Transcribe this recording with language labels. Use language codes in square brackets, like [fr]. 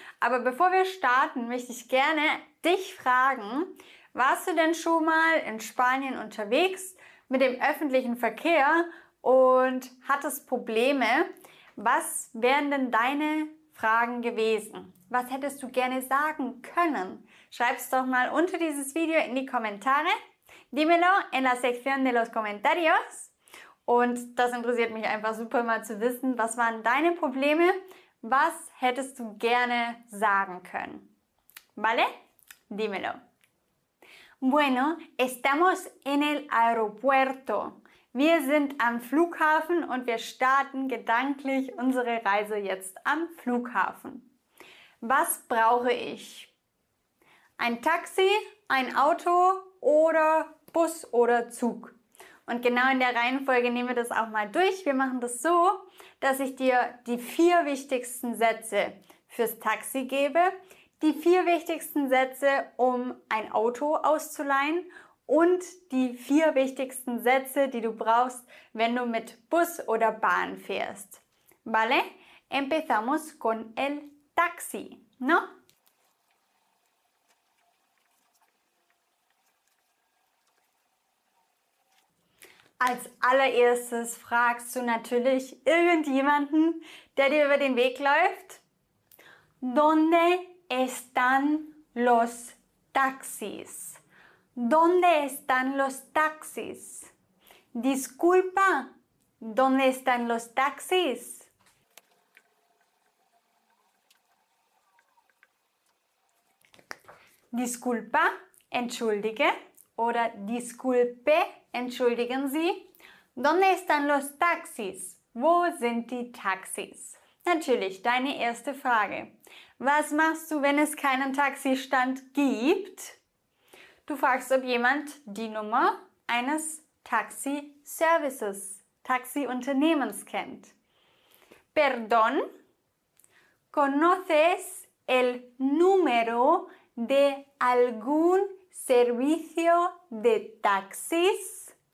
[de] Aber bevor wir starten, möchte ich gerne dich fragen, warst du denn schon mal in Spanien unterwegs mit dem öffentlichen Verkehr und hattest Probleme? Was wären denn deine Fragen gewesen? Was hättest du gerne sagen können? Schreib's doch mal unter dieses Video in die Kommentare. [es] Dímelo en la sección de los comentarios. [de] Und das interessiert mich einfach super mal zu wissen, was waren deine Probleme? Was hättest du gerne sagen können? [es] ¿Vale? Dímelo. Bueno, estamos en el aeropuerto. [de] Wir sind am Flughafen und wir starten gedanklich unsere Reise jetzt am Flughafen. Was brauche ich? Ein Taxi, ein Auto oder Bus oder Zug? Und genau in der Reihenfolge nehmen wir das auch mal durch. Wir machen das so, dass ich dir die vier wichtigsten Sätze fürs Taxi gebe, die vier wichtigsten Sätze, um ein Auto auszuleihen und die vier wichtigsten Sätze, die du brauchst, wenn du mit Bus oder Bahn fährst. [es] ¿Vale? Empezamos con el taxi, ¿no? [de] Als allererstes fragst du natürlich irgendjemanden, der dir über den Weg läuft. [es] ¿Dónde están los taxis? ¿Dónde están los taxis? Disculpa, ¿dónde están los taxis? [de] Disculpa, entschuldige, oder disculpe, entschuldigen Sie. [es] ¿Dónde están los taxis? [de] Wo sind die Taxis? Natürlich, deine erste Frage. Was machst du, wenn es keinen Taxistand gibt? Du fragst, ob jemand die Nummer eines Taxi-Services, Taxi-Unternehmens kennt. [es] Perdón, ¿conoces el número de algún servicio de taxis?